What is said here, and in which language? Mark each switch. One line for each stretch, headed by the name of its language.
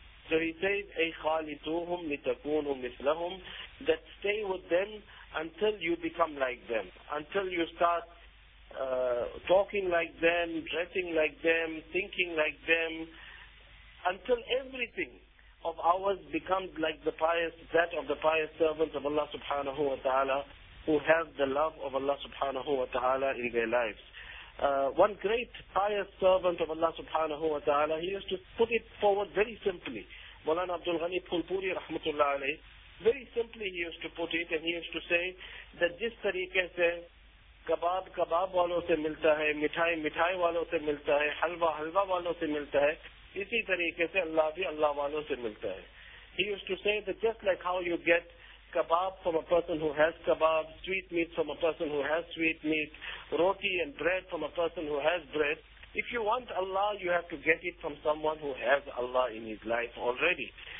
English: So he says,
Arabic: أَيْ خَالِتُوهُمْ لِتَكُونُوا مِثْلَهُمْ,
English: that stay with them until you become like them, until you start talking like them, dressing like them, thinking like them, until everything of ours becomes like the pious, that of the pious servants of Allah subhanahu wa ta'ala, who have the love of Allah subhanahu wa ta'ala in their lives. One great pious servant of Allah subhanahu wa ta'ala, he used to put it forward very simply. Mawlana Abdul Ghani Phulpuri rahmatullah alayhi, very simply he used to put it, and he used to say that this tariqah
Urdu: se کباب کباب والوں سے ملتا ہے، مٹھائی مٹھائی والوں سے ملتا ہے، حلوہ حلوہ والوں سے ملتا ہے، اسی طریقے سے اللہ بھی اللہ والوں سے ملتا ہے.
English: He used to say that just like how you get kebab from a person who has kebab, sweet meat from a person who has sweet meat, roti and bread from a person who has bread, if you want Allah, you have to get it from someone who has Allah in his life already.